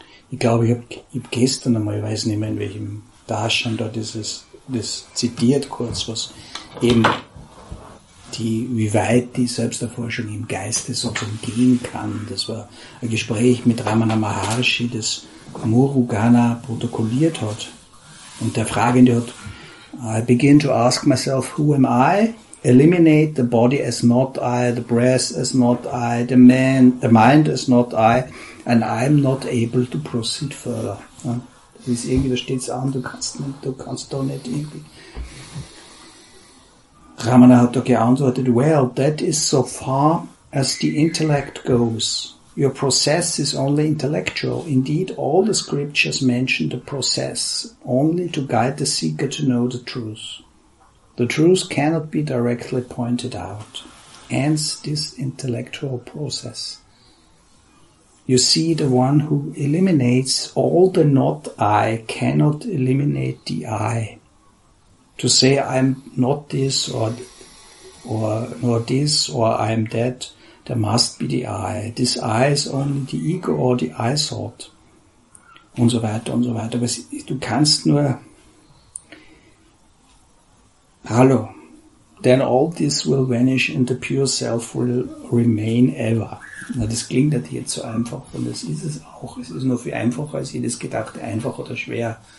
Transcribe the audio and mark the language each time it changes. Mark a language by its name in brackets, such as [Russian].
[German] Ich glaube, ich hab gestern einmal, ich weiß nicht mehr, in welchem Darshan da dieses, das zitiert kurz, was eben die, wie weit die Selbsterforschung im Geiste sozusagen gehen kann. Das war ein Gespräch mit Ramana Maharshi, das Murugana protokolliert hat. Und der Fragende hat, [English] I begin to ask myself, who am I? Eliminate the body as not I, the breath as not I, the mind as not I, and I'm not able to proceed further. [German] Ja? Das ist irgendwie, da steht es an, du kannst da nicht irgendwie. Ramana hat da geantwortet, [English] well, that is so far as the intellect goes. Your process is only intellectual. Indeed, all the scriptures mention the process only to guide the seeker to know the truth. The truth cannot be directly pointed out. Hence this intellectual process. You see, the one who eliminates all the not-I cannot eliminate the I. To say I'm not this or nor this or I'm that, there must be the I. This I is only the ego or the I thought. [German] Und so weiter und so weiter. Aber du kannst nur... [English] Hallo. Then all this will vanish and the pure self will remain ever. [German] Na, das klingt natürlich jetzt so einfach und das ist es auch. Es ist nur viel einfacher als jedes gedacht, einfach oder schwer.